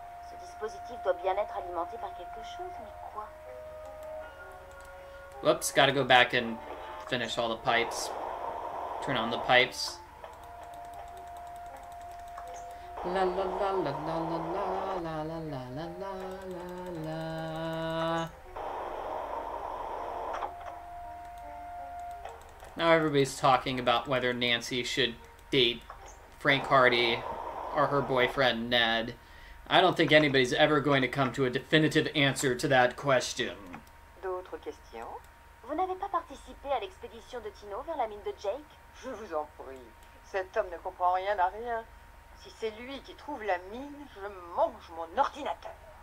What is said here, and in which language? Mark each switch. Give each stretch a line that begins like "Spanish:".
French: Ce dispositif doit bien être alimenté par quelque chose, mais quoi?
English: Whoops, gotta go back and finish all the pipes. Turn on the pipes. La la la la la la la la la la la la la la. Now everybody's talking about whether Nancy should date Frank Hardy or her boyfriend Ned. I don't think anybody's ever going to come to a definitive answer to that question.
French: D'autres questions? Vous n'avez pas participé à l'expédition de Tino vers la mine de Jake? Je vous en prie, cet homme ne comprend rien à rien. Si c'est lui qui trouve la mine, je mange mon ordinateur.